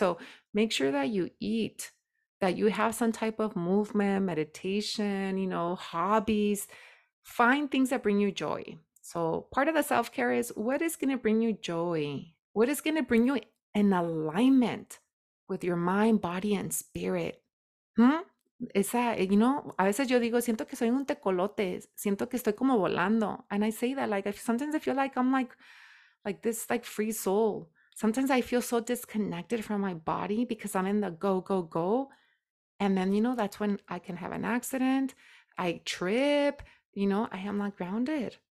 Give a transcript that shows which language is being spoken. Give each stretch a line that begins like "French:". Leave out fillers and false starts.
English: So make sure that you eat, that you have some type of movement, meditation, hobbies. Find things that bring you joy. So part of the self-care is what is going to bring you joy? What is going to bring you in alignment with your mind, body, and spirit?
Spanish: Esa, a veces yo digo, siento que soy un tecolote, siento que estoy como volando.
English: And I say that, like, sometimes I feel like I'm like this, like free soul. Sometimes I feel so disconnected from my body because I'm in the go, go, go. And then, that's when I can have an accident. I trip, I am not grounded.